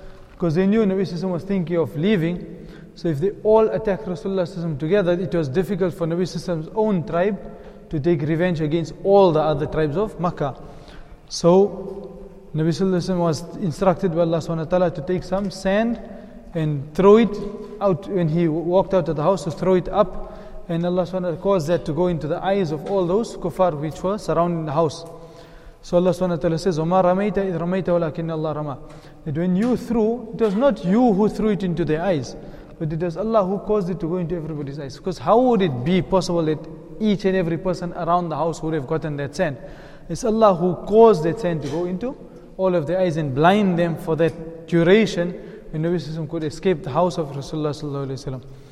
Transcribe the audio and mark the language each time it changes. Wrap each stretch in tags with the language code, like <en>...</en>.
<en>Because they knew Nabi sallallahu alayhi wa sallam was thinking of leaving. So if they all attack Rasulullah sallallahu alayhi wa sallam together, it was difficult for Nabi sallallahu alayhi wa sallam's own tribe to take revenge against all the other tribes of Makkah. So Nabi sallallahu alayhi wa sallam was instructed by Allah subhanahu wa ta'ala to take some sand and throw it out when he walked out of the house, to throw it up. And Allah subhanahu wa ta'ala caused that to go into the eyes of all those kuffar which were surrounding the house.</en> <ar>So Allah subhanahu wa ta'ala says, وَمَا رَمَيْتَ إِذْ رَمَيْتَ وَلَكِنَّ اللَّهَ رَمَى.</ar> <en>That when you threw, it was not you who threw it into their eyes, but it was Allah who caused it to go into everybody's eyes. Because how would it be possible that each and every person around the house would have gotten that sand? It's Allah who caused that sand to go into all of their eyes and blind them for that duration when Nabi sallallahu alayhi wa sallam could escape the house of Rasulullah sallallahu alayhi wa sallam.</en>